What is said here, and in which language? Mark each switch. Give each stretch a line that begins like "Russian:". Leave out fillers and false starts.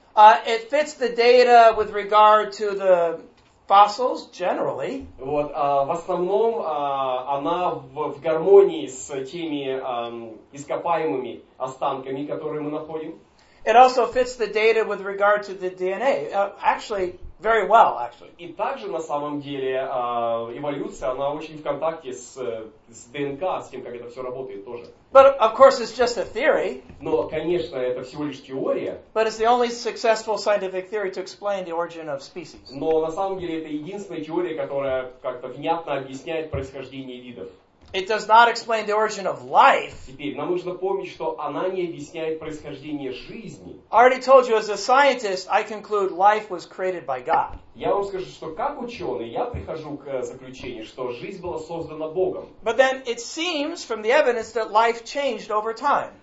English: It fits the data with regard to the fossils generally.
Russian: Вот, в основном она в гармонии с теми ископаемыми останками, которые мы находим.
English: It also fits the data with regard to the DNA. Actually, very well, actually.
Russian: И также, на самом деле, эволюция, она очень в контакте с ДНК, с тем, как это все работает тоже.
English: But, of course, it's just a theory.
Russian: Но, конечно, это всего лишь теория.
English: But it's the only successful scientific theory to explain the origin of species.
Russian: Но, на самом деле, это единственная теория, которая как-то внятно объясняет происхождение видов.
English: It does not explain the origin of life.
Russian: Теперь нам нужно помнить, что она не объясняет происхождение жизни.
English: I already told you, as a scientist, I conclude life was created by God.
Russian: Я вам скажу, что как ученый, я прихожу к заключению, что жизнь была создана Богом.
English: But then it seems from the evidence that life changed over time.